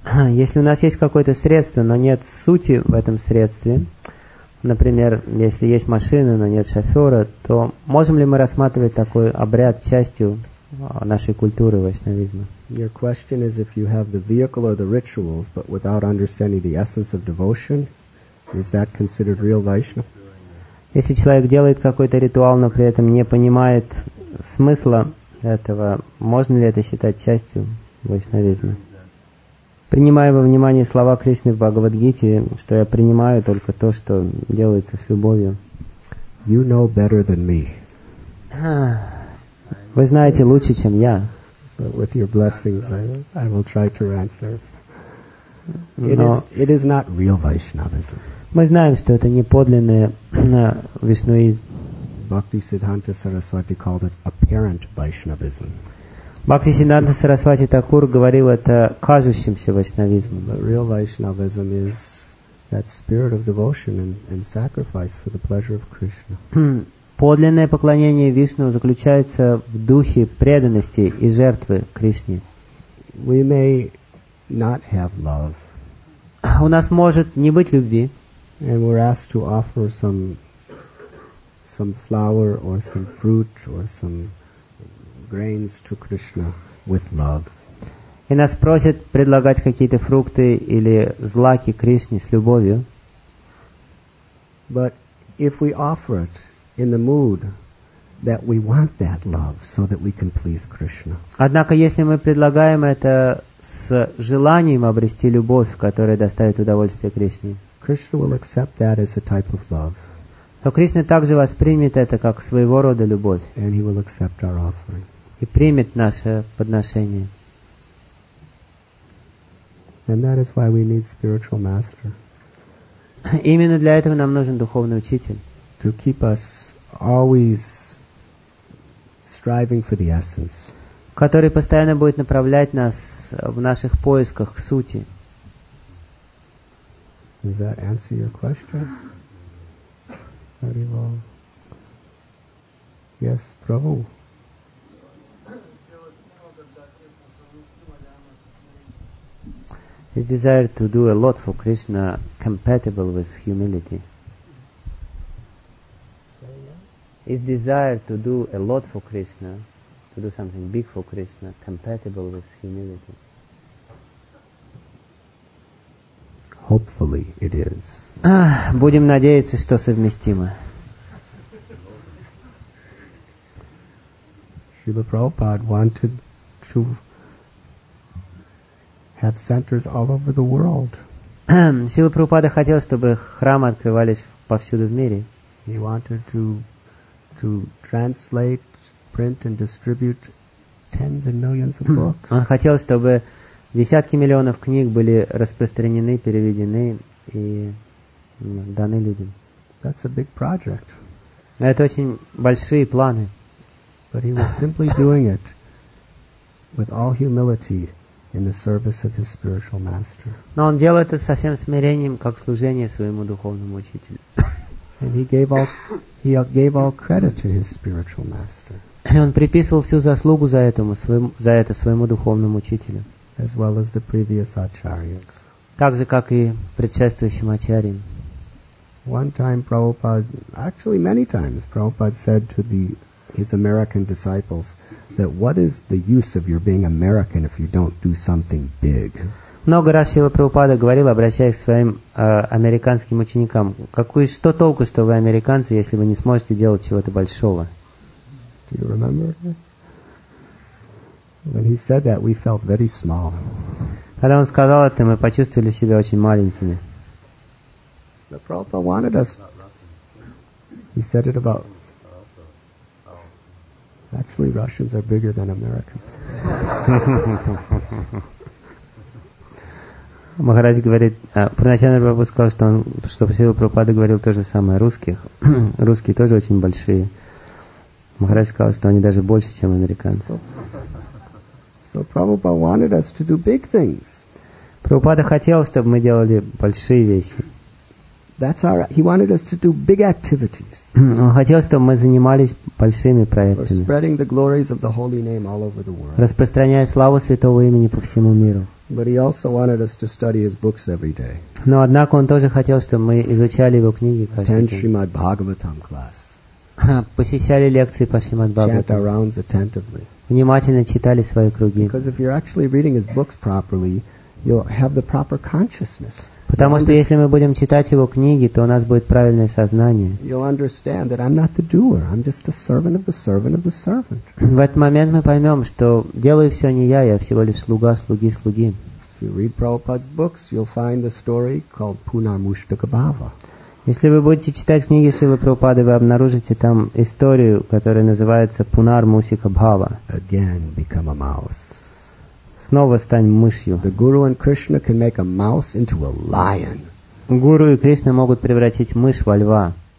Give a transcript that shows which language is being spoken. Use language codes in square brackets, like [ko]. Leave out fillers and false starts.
[ru] Если у нас есть какое-то средство, но нет сути в этом средстве, например, если есть машина, но нет шофера, то можем ли мы рассматривать такой обряд частью нашей культуры вайшнавизма? [en] Your question is if you have the vehicle or the rituals, but without understanding the essence of devotion, is that considered real Vaishnava? [ru] Если человек делает какой-то ритуал, но при этом не понимает смысла этого, можно ли это считать частью вайшнавизма? Принимая во внимание слова Кришны в Бхагавадгите, что я принимаю только то, что делается с любовью. [en] You know better than me. [ru] Вы знаете лучше, чем я. [en] But with your blessings, I will try to answer. It is not real Vaishnavism. [ru] Мы знаем, что это не подлинное вишнуизм. [en] Bhakti Siddhanta Saraswati called it apparent Vaishnavism. [ru] Бхакти Сиддханта Сарасвати Такур говорил это кажущимся вайшнавизмом. [en] But real Vaishnavism is that spirit of devotion and sacrifice for the pleasure of Krishna. [ru] Подлинное поклонение Вишну заключается в духе преданности и жертвы Кришне. [en] We may not have love. [ru] У нас может не быть любви. [en] And we're asked to offer some flower or some fruit or some grains to Krishna with love. [ru] И нас просят предлагать какие-то фрукты или злаки Кришне с любовью. [en] But if we offer it in the mood that we want that love so that we can please Krishna. [ru] Однако если мы предлагаем это с желанием обрести любовь, которая доставит удовольствие Кришне. [en] Krishna will accept that as a type of love. [ru] То Кришна также воспримет это как своего рода любовь. [en] And he will accept our offering. [ru] И примет наше подношение. [en] And that is why we need spiritual master. [ru] Именно для этого нам нужен духовный учитель. [en] To keep us always striving for the essence. [ru] Который постоянно будет направлять нас в наших поисках к сути. [en] Does that answer your question? Well. Yes, Prabhu. His desire to do a lot for Krishna compatible with humility. His desire to do a lot for Krishna, to do something big for Krishna, compatible with humility. Hopefully it is. [ru] Будем надеяться, что совместимо. [en] Srila Prabhupada wanted to have centers all over the world. [ru] Srila Prabhupada хотел, чтобы храмы открывались повсюду в мире. [en] He wanted to translate, print and distribute tens and millions of books. [ru] Он хотел, чтобы десятки миллионов книг были распространены, переведены и даны людям. [en] That's a big project. [ru] Это очень большие планы. [en] But he was simply doing it with all humility in the service of his spiritual master. [ru] Но он делал это со всем смирением, как служение своему духовному учителю. [en] And he gave all credit to his spiritual master. [ru] И он приписывал всю заслугу за этому своему за это своему духовному учителю. [en] As well as the previous acharyas. [ru] Так же как и предшествующим ачарьям. [en] One time Prabhupada, actually many times Prabhupada said to his American disciples that what is the use of your being American if you don't do something big? [ru] Много раз Шрила Прабхупада говорил, обращаясь к своим американским ученикам, что толку, что вы американцы, если вы не сможете делать чего-то большого? [en] Do you remember? When he said that, we felt very small. [ru] Когда он сказал это, мы почувствовали себя очень маленькими. [en] But Prabhupada wanted us. He said it about... Actually, Russians are bigger than Americans. [ru] Махарадж говорит, поначалу Прабхупада сказал, что Шрила Прабхупада говорил то же самое о русских. Русские тоже очень большие. Махарадж сказал, что они даже больше, чем американцы. [en] So Prabhupada wanted us to do big things. [ru] Прабхупада хотел, чтобы мы делали большие вещи. [en] That's our. He wanted us to do big activities. [ru] Он хотел, чтобы мы занимались большими проектами. [en] For spreading the glories of the holy name all over the world. [ru] Распространяя славу святого имени по всему миру. [en] But he also wanted us to study his books every day. [ru] Но однако он тоже хотел, чтобы мы изучали его книги каждый день. [en] Attend Srimad Bhagavatam class. [ru] Посещали лекции по Шримад Бхагаватам. [en] Chant our rounds attentively. [ru] Внимательно читали свои круги. [en] Because if you're actually reading his books properly, you'll have the proper consciousness. [ru] Потому что если мы будем читать его книги, то у нас будет правильное сознание. [en] You'll understand that I'm not the doer, I'm just a servant of the servant of the servant. [ru] В этот момент мы поймем, что делаю все не я, я всего лишь слуга, слуги, слуги. [en] If you read Prabhupada's books, you'll find the story called Punarmushtaka Bhava. [ru] Если вы будете читать книги Шрилы Прабхупады, вы обнаружите там историю, которая называется Пунармусика Бхава. [en] Again, become a mouse. [ru] Снова стань мышью. [en] The Guru and Krishna can make a mouse into a lion. [ru] Гуру и Кришна могут превратить мышь во льва.